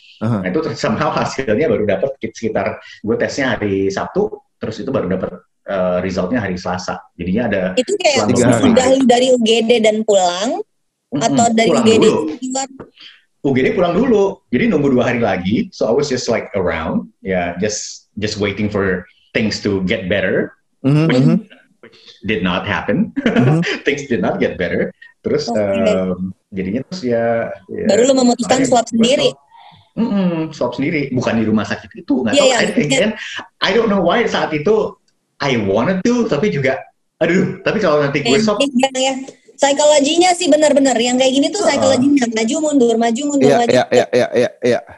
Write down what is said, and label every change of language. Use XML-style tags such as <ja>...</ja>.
<id>Nah itu somehow hasilnya baru dapat sekitar, gue tesnya hari Sabtu, terus itu baru dapat resultnya hari Selasa, jadinya ada itu kayak sudah dari UGD dan pulang, atau dari UGD dulu. UGD pulang dulu, jadi nunggu 2 hari lagi,</id> <en>so I was just like around, yeah, just waiting for things to get better, which did not happen, things did not get better,</en> <id>terus jadinya terus ya baru lu memutuskan swab sendiri. Swab sendiri, bukan di rumah sakit itu, nggak tahu.</id> <en>I don't know why</en> <id>saat itu</id> <en>I wanted to,</en> <id>tapi juga aduh, tapi kalau nanti gue swab ya. Psikologinya sih benar-benar yang kayak gini tuh psikologinya maju mundur Iya.</id>